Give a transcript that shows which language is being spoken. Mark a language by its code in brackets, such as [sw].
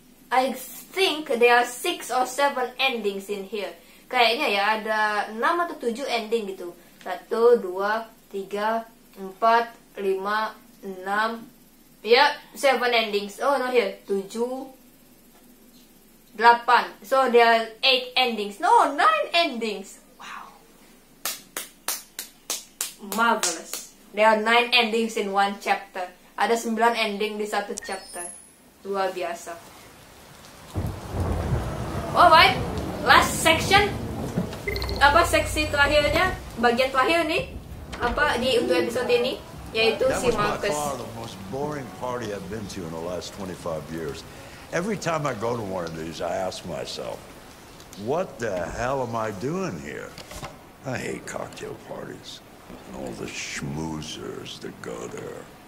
[en] I think there are 6 or 7 endings in here. [id] Kayaknya ya ada 6 atau 7 ending gitu. [en] 1, 2, 3, 4, 5, 6. Yep, 7 endings. Oh no, here. 7, 8. So there are 8 endings. No, 9 endings. Marvelous. There are 9 endings in one chapter. [id] Ada 9 ending di satu chapter. Luar biasa. [en] Alright, last section. [id] Apa seksi terakhirnya? Bagian terakhir nih. Apa di untuk episode ini? Yaitu si Markus. [en] That was by far the most boring party I've been to in the last 25 years. Every time I go to one of these, I ask myself, what the hell am I doing here? I hate cocktail parties. And all the schmoozers that go there.